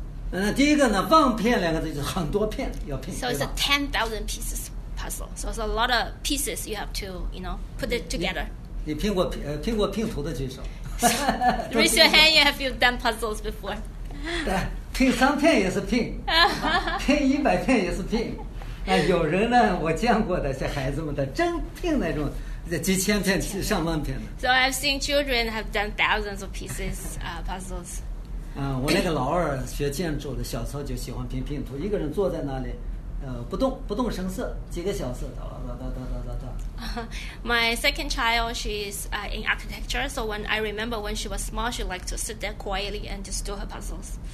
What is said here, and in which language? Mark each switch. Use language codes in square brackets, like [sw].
[zh] 嗯，第一个呢，望片两个字就是很多片要拼。 [en] So it's a 10,000 pieces puzzle. So it's a lot of pieces you have to, you know, put it together. [zh] 你拼过拼过拼图的举手。 [en] Raise your hand. Have you done puzzles before? [zh] 拼三片也是拼，拼一百片也是拼。啊，有人呢，我见过的，这孩子们的真拼那种，几千片、上万片的。 [en] So I've seen children have done thousands of pieces, puzzles. [zh] 我那个老二学建筑的，小时候就喜欢拼拼图，一个人坐在那里，不动，不动声色，几个小时，哒哒哒哒哒哒哒。 [en] My second child, she's in architecture. So when I remember when she was small, she liked to sit there quietly and just do her puzzles.